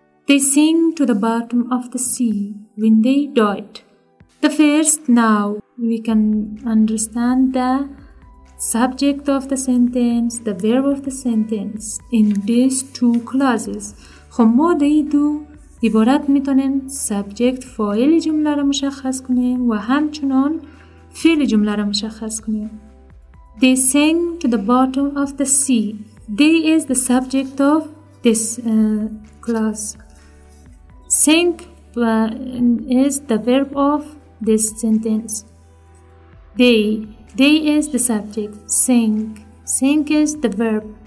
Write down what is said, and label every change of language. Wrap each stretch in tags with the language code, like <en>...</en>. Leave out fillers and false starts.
<en>They sink to the bottom of the sea when they died. The first now we can understand the subject of the sentence, the verb of the sentence in these two clauses.</en> <fa>خب ما دهی دو عبارت میتونیم سبجکت فاعل جمله را مشخص کنیم و همچنان فعل جمله را مشخص کنیم.</fa> <en>They sink to the bottom of the sea. They is the subject of this clause. Sink is the verb of this sentence. They is the subject. Sink is the verb.</en>